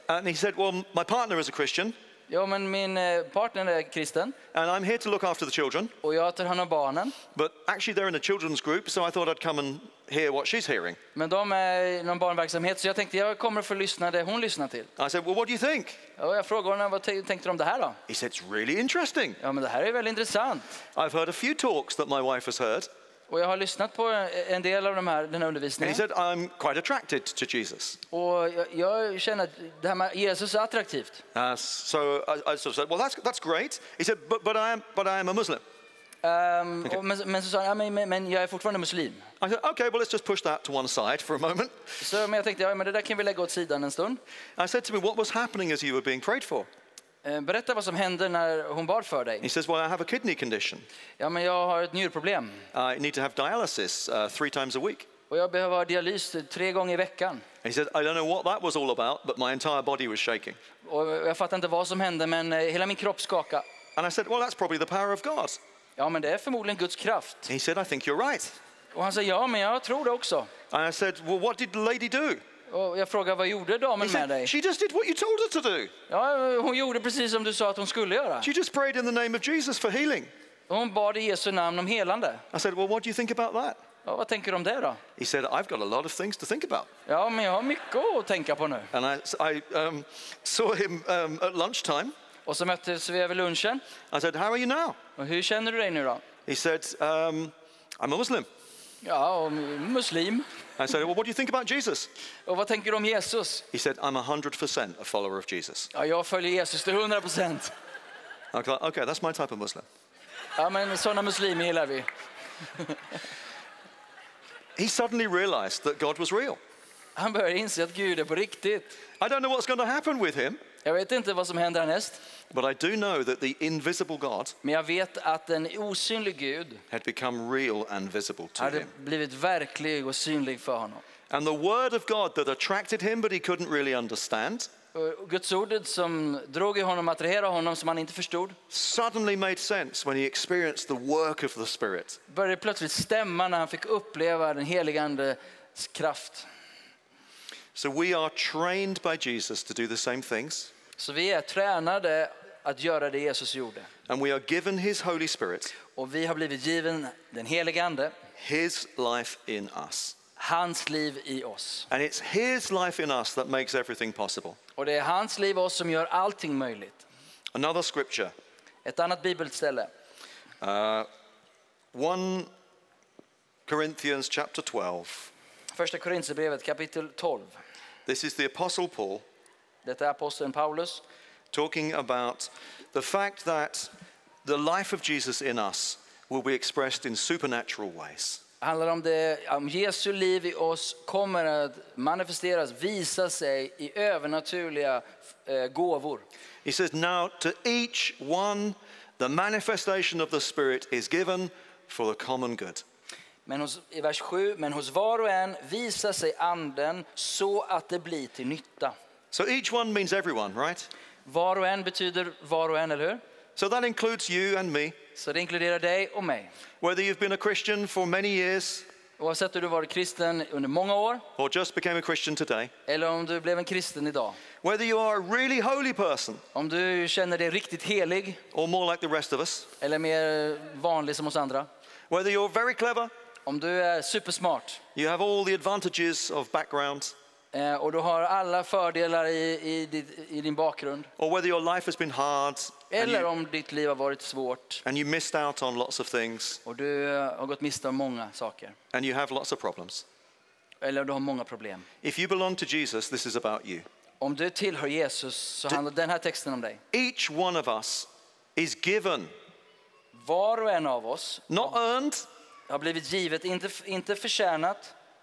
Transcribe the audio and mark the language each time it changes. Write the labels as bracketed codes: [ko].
[en] And he said, well, my partner is a Christian. [sv] Ja, men min partner är kristen. [en] And I'm here to look after the children. [sv] Och jag tar hand om barnen. [en] But actually they're in a children's group, so I thought I'd come and hear what she's hearing. [sv] Men de är I någon barnverksamhet, så jag tänkte jag kommer för att lyssna det hon lyssnar till. [en] I said, well, what do you think? [sv] Och jag frågade henne, vad tänkte du om det här då? [en] He said, it's really interesting. [sv] Ja, men det här är väldigt intressant. [en] I've heard a few talks that my wife has heard. [sv] Och jag har lyssnat på en del av den här undervisningen. [en] And he said, I'm quite attracted to Jesus. [sv] Och jag känner att det här med Jesus är attraktivt. [en] So I sort of said, well, that's great. He said, but I am a Muslim. [sv] Men så sa han, men jag är fortfarande muslim. [en] I said, okay, well, let's just push that to one side for a moment. [sv] Så men jag tänkte, ja, men det där kan vi lägga åt sidan en stund. [en] I said to me, what was happening as you were being prayed for? [sv] Berätta vad som hände när hon bad för dig. [en] He says, well, I have a kidney condition. [sv] Ja, men jag har ett njurproblem. [en] I need to have dialysis 3 times a week. [sv] Och jag behöver ha dialys 3 gånger i veckan. [en] And he said, I don't know what that was all about, but my entire body was shaking. [sv] Och jag fattar inte vad som hände, men hela min kropp skakade. [en] And I said, well, that's probably the power of God. [sv] Ja, men det är förmodligen Guds kraft. [en] And he said, I think you're right. [sv] Och han sa, ja, men jag tror det också. [en] And I said, well, what did the lady do? [sv] Och jag frågade, vad gjorde damen med dig? [en] She just did what you told her to do. [sv] Ja, hon gjorde precis som du sa att hon skulle göra. [en] She just prayed in the name of Jesus for healing. [sv] Hon bad i Jesu namn om helande. [en] I said, well, what do you think about that? [sv] Ja, vad tänker du om det då? [en] He said, I've got a lot of things to think about. [sv] Ja, men jag har mycket att tänka på nu. [en] And I saw him at lunchtime. [sv] Och så möttes vi över lunchen. [en] I said, how are you now? [sv] Och hur känner du dig nu då? [en] He said, I'm a Muslim. [sv] Ja, muslim. [en] I said, well, what do you think about Jesus? [sv] Och vad tänker du om Jesus? [en] He said, I'm 100% a follower of Jesus. [sv] Ja, jag följer Jesus till 100%. [en] Okay, that's my type of Muslim. [sv] Ja, men såna muslimer gillar vi. [en] He suddenly realized that God was real. [sv] Han började inse att Gud är på riktigt. [en] I don't know what's going to happen with him. [sv] Jag vet inte vad som händer härnäst. [en] But I do know that the invisible God, [sv] men jag vet att en osynlig Gud, [en] had become real and visible to him. [sv] Hade blivit verklig och synlig för honom. [en] And the word of God that attracted him but he couldn't really understand, [sv] Guds ordet som drog i honom, attraherade honom, som han inte förstod, [en] suddenly made sense when he experienced the work of the Spirit. [sv] Började plötsligt stämma när han fick uppleva den helige andes kraft. [en] So we are trained by Jesus to do the same things. [sv] Så vi är tränade att göra det Jesus gjorde. [en] And we are given his Holy Spirit. [sv] Och vi har blivit given den helige ande. [en] His life in us. [sv] Hans liv i oss. [en] And it's his life in us that makes everything possible. [sv] Och det är hans liv i oss som gör allting möjligt. [en] Another scripture. [sv] Ett annat bibelställe. [en] 1 Corinthians chapter 12. [sv] Första Korinthierbrevet kapitel 12. [en] This is the apostle Paul. [sv] Detta är aposteln Paulus. [en] Talking about the fact that the life of Jesus in us will be expressed in supernatural ways. [sv] Handlar om det om Jesu liv i oss kommer att manifesteras, visa sig i övernaturliga gåvor. [en] He says, now to each one the manifestation of the Spirit is given for the common good. [sv] Men hos, i vers 7, men hos var och en visar sig anden så att det blir till nytta. [en] So each one means everyone, right? [sv] Var och en betyder var och en, eller hur? [en] So that includes you and me. [sv] Så det inkluderar dig och mig. [en] Whether you've been a Christian for many years. [sv] Oavsett om du varit kristen under många år. [en] Or just became a Christian today. [sv] Eller om du blev en kristen idag. [en] Whether you are a really holy person. [sv] Om du känner dig riktigt helig. [en] Or more like the rest of us. [sv] Eller mer vanlig som oss andra. [en] Whether you're very clever. [sv] Om du är supersmart. [en] You have all the advantages of background. [sv] Och du har alla fördelar i din bakgrund. [en] Or whether your life has been hard. [sv] Eller om ditt liv har varit svårt. [en] And you missed out on lots of things. [sv] Och du har gått miste om många saker. [en] And you have lots of problems. [sv] Eller du har många problem. [en] If you belong to Jesus, this is about you. [sv] Om du tillhör Jesus så handlar den här texten om dig. [en] Each one of us is given. [sv] Var och en av oss. [en] Not earned. [sv] har blivit givet, inte förtjänat,